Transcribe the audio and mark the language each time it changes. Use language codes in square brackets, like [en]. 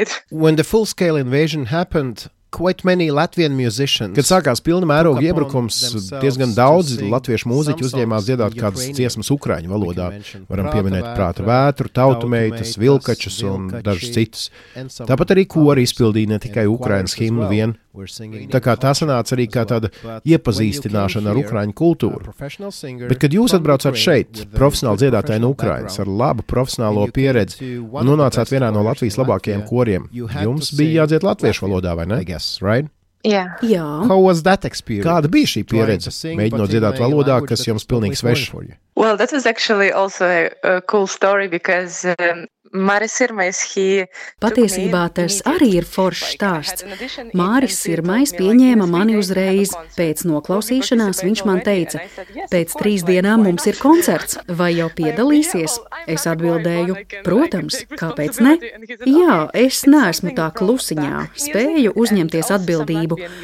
[en] When the full-scale invasion happened, Quite many Latvian musicians. [lv] Kad sākās pilna mēroga iebrukums, diezgan daudzi latviešu mūziķi uzņēmās dziedāt kādas dziesmas ukraiņu valodā. Varam pieminēt Prāta vētru, Tautumeitas, Vilkačus un dažas citas. Tāpat arī kori izpildīja ne tikai Ukrainas himnu vien. Tā kā tā sanāca arī kā tāda iepazīstināšana ar ukraiņu kultūru. Bet kad jūs atbraucāt šeit, profesionāli dziedātāji no Ukrainas, ar labu profesionālo pieredzi, un nonācāt vienā no Latvijas labākajiem koriem, jums bija jādzied latviešu valodā, vai ne? Jā. Kāda bija šī pieredze, mēģinot dziedāt valodā, kas jums pilnīgi sveša? [en] Well, that was actually also a cool story, because... [lv] Patiesībā tas arī ir foršs stāsts. Māris Sirmais pieņēma mani uzreiz. Pēc noklausīšanās viņš man teica, pēc 3 dienām mums ir koncerts, vai jau piedalīsies? Es atbildēju, protams, kāpēc ne? Jā, es neesmu tā klusiņā, spēju uzņemties atbildību.